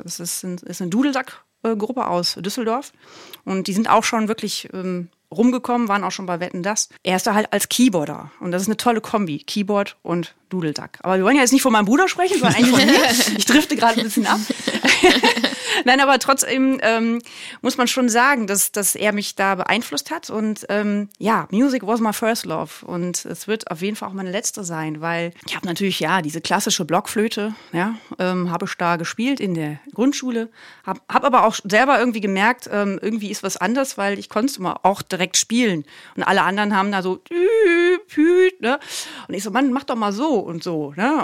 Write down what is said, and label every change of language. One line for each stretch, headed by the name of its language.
German: Das ist eine Dudelsack-Gruppe aus Düsseldorf. Und die sind auch schon wirklich rumgekommen, waren auch schon bei Wetten, dass. Er ist da halt als Keyboarder. Und das ist eine tolle Kombi, Keyboard und Dudelsack. Aber wir wollen ja jetzt nicht von meinem Bruder sprechen, sondern eigentlich von mir. Ich drifte gerade ein bisschen ab. Nein, aber trotzdem muss man schon sagen, dass er mich da beeinflusst hat.
English: Und ja, Music was my first love.
German: Und es wird auf jeden Fall auch meine letzte sein, weil ich habe natürlich ja diese klassische Blockflöte, ja, habe ich da gespielt in der Grundschule. Hab aber auch selber irgendwie gemerkt, irgendwie ist was anders, weil ich konnte es immer auch direkt spielen. Und alle anderen haben da so, ne? Und ich so, Mann, mach doch mal so und so. Ne?